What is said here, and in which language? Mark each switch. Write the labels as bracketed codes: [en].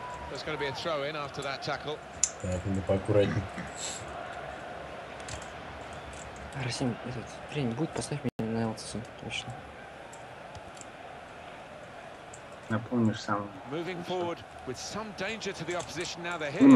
[en] There's gonna be a throw in after that tackle. [ru] Так, надо поаккуратнее. Расим, этот тренинг будет, поставь меня на Элтсу, точно. Напомнишь сам. [en] Moving forward with some danger to the opposition now they're here.